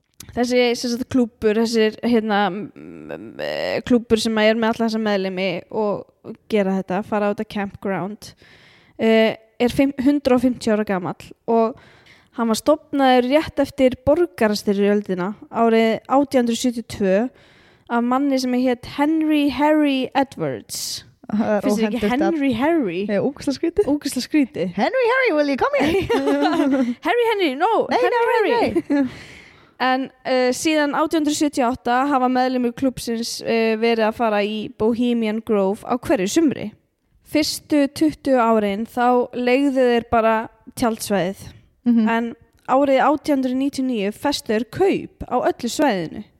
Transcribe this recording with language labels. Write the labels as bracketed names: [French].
[Icelandic] þessi sagt, klúbur, þessi hérna, klúbur sem er með alla þessa meðlimi og gera þetta, fara út að campground, er 150 ára gamall og hann var stofnaður rétt eftir borgarastyrjöldina árið 1872 af manni sem hétt Henry Harry Edwards. Finnst þið ekki Henry Harry? Úkisla skríti. [English] Henry Harry, will you come here? Harry Henry, no, [Icelandic] nei, Henry nei, Harry. Nei. En síðan 1878 hafa meðlimir klúbbsins verið að fara í Bohemian Grove á hverju sumri. Fyrstu 20 árin þá leigðu þeir bara tjaldsvæðið. Mm-hmm. En árið 1899 festu þeir kaup á öllu svæðinu.